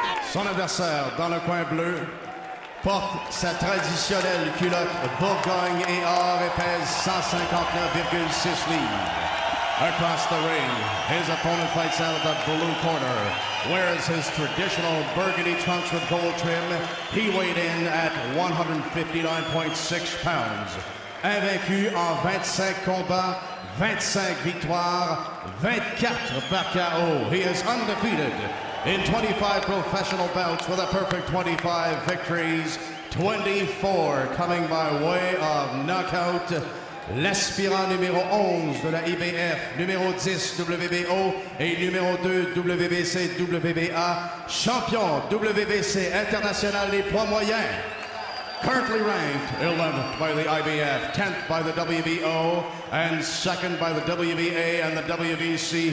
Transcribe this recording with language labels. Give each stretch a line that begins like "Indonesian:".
French: Son adversaire dans le coin bleu porte sa traditionnelle culotte Bourgogne et or et pèse 159,6 livres.
English: Across the ring, his opponent fights out of the blue corner, wears his traditional burgundy trunks with gold trim. He weighed in at 159.6 pounds.
French: Invaincu en 25 combats, 25 victoires, 24 par KO.
English: He is undefeated in 25 professional bouts with a perfect 25 victories, 24 coming by way of knockout.
French: L'aspirant numéro 11 de la IBF, numéro 10 WBO et numéro 2 WBC WBA, champion WBC international des poids moyens.
English: Currently ranked 11th by the IBF, 10th by the WBO, and 2nd by the WBA and the WBC.